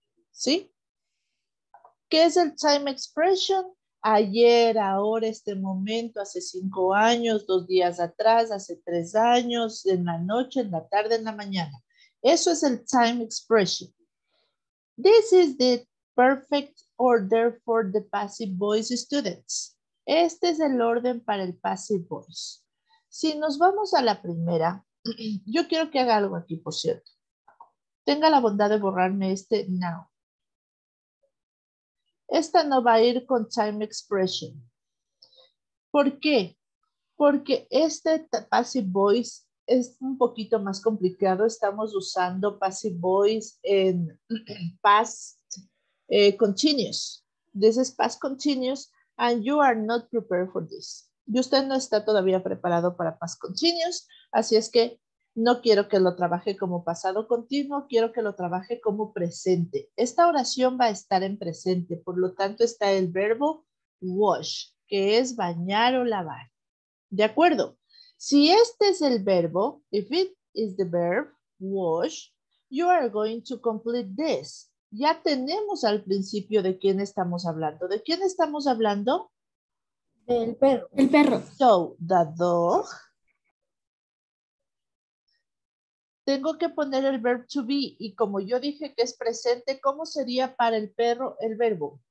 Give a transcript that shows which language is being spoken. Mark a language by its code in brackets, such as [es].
[es] ¿Sí? ¿Qué es el time expression? Ayer, ahora, este momento, hace 5 años, 2 días atrás, hace 3 años, en la noche, en la tarde, en la mañana. Eso es el time expression. [en] This is the perfect order for the passive voice students. [es] Este es el orden para el passive voice. Si nos vamos a la primera, yo quiero que haga algo aquí, por cierto. Tenga la bondad de borrarme este now. Esta no va a ir con time expression. ¿Por qué? Porque este passive voice es un poquito más complicado. Estamos usando passive voice en past continuous. [en] This is past continuous and you are not prepared for this. [es] Y usted no está todavía preparado para past continuous. Así es que no quiero que lo trabaje como pasado continuo, quiero que lo trabaje como presente. Esta oración va a estar en presente, por lo tanto está el verbo wash, que es bañar o lavar. ¿De acuerdo? Si este es el verbo, [en] if it is the verb wash, you are going to complete this. [es] Ya tenemos al principio de quién estamos hablando. ¿De quién estamos hablando? Del perro. El perro. [en] So, the dog. [es] Tengo que poner el verb to be y como yo dije que es presente, ¿cómo sería para el perro el verbo?